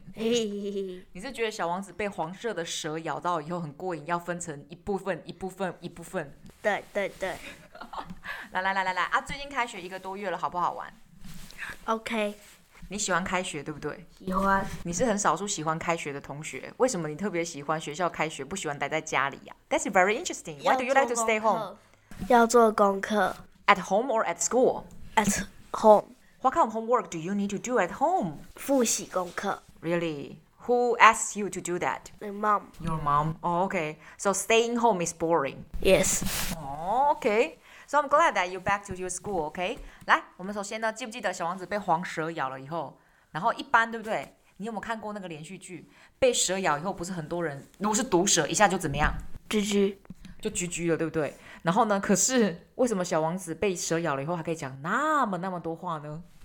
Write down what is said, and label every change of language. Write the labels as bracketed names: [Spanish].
[Chinese] 你是觉得小王子被黄色的蛇咬到以后很过瘾，要分成一部分、一部分、一部分？对对对。来啊！最近开学一个多月了，好不好玩 [English] ？OK。 [Chinese] 你喜欢开学对不对？喜欢。你是很少数喜欢开学的同学，为什么你特别喜欢学校开学，不喜欢待在家里呀、啊、？ [English] That's very interesting. Why do you like to stay home? [Chinese] 要做功课。 [English] At home or at school? At home. What kind of homework do you need to do at home? [Chinese] 复习功课。 [English] Really? Who asked you to do that? My mom. Your mom? Oh, okay. So staying home is boring. Yes. Oh, okay. So I'm glad that you're back to your school, okay? [Chinese] 来，我们首先呢，记不记得小王子被黄蛇咬了以后，然后一般对不对？你有没有看过那个连续剧？被蛇咬以后，不是很多人，如果是毒蛇，一下就怎么样？啾啾，就啾啾了，对不对？然后呢，可是为什么小王子被蛇咬了以后还可以讲那么多话呢？